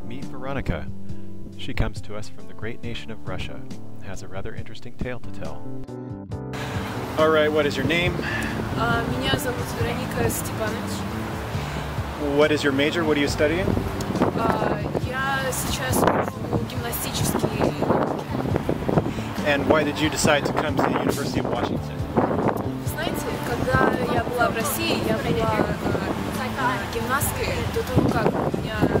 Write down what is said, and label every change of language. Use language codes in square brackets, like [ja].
[en] Veronica. She comes to us from the great nation of Russia and has a rather interesting tale to tell. All right, what is your name? [ru] Меня зовут Вероника Степанович. [en] What is your major? What are you studying? [ru] Я сейчас учу гимнастические науки. [en] And why did you decide to come to the University of Washington? [ru] Знаете, когда я была в России, я была гимнасткой до того, как у меня